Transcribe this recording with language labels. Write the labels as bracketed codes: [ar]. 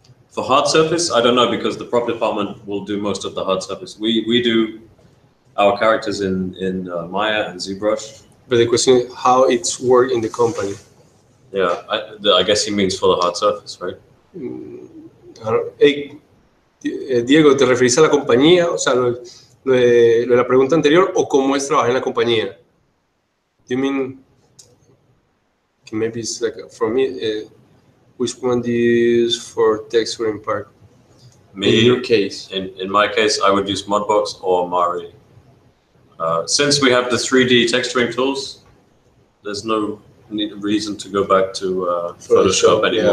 [en] For hard surface, I don't know, because the prop department will do most of the hard surface. We do our characters in Maya and ZBrush. But the question is how it's work in the company. Yeah, I guess he means for the hard surface, right? [es] Diego, ¿te referís a la compañía? O sea, lo de la pregunta anterior, ¿o cómo es trabajar en la compañía? [en] Do you mean, maybe it's like, for me, which one do you use for text or in part? Me? In your case. In my case, I would use Modbox or Mari. Since we have the 3D texturing tools, there's no reason to go back to Photoshop anymore.